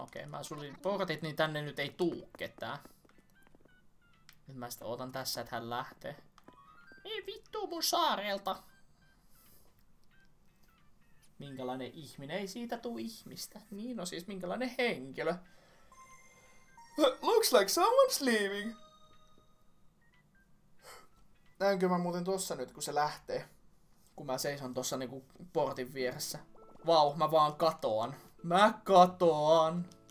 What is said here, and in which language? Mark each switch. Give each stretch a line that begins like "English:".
Finnish: Okei, okay, mä suljin portit, niin tänne nyt ei tuu ketään. Nyt mä sitten ootan tässä, että hän lähtee. Ei vittu mun saarelta! Minkälainen ihminen? Ei siitä tuu ihmistä. Niin on siis, minkälainen henkilö?
English: Looks like someone's leaving!
Finnish: Näenkö mä muuten tossa nyt, kun se lähtee? Kun mä seison tossa niinku portin vieressä. Vau, mä vaan katoan. Mä katoan!